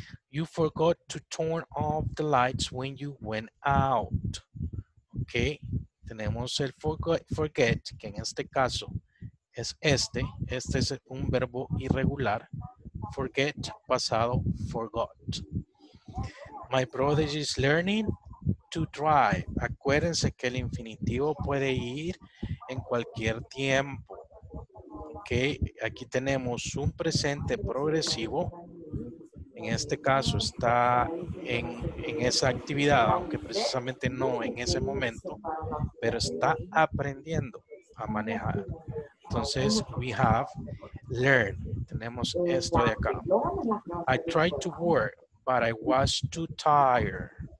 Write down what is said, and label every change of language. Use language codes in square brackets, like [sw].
[en] You forgot to turn off the lights when you went out. Okay. [es] Tenemos el forget, que en este caso es este. Este es un verbo irregular. Forget, pasado, forgot. [en] My brother is learning to drive. [es] Acuérdense que el infinitivo puede ir en cualquier tiempo. Okay. Aquí tenemos un presente progresivo. En este caso está en esa actividad, aunque precisamente no en ese momento, pero está aprendiendo a manejar. Entonces, [en] we have learned. [es] Tenemos esto de acá. [en] I tried to work, but I was too tired.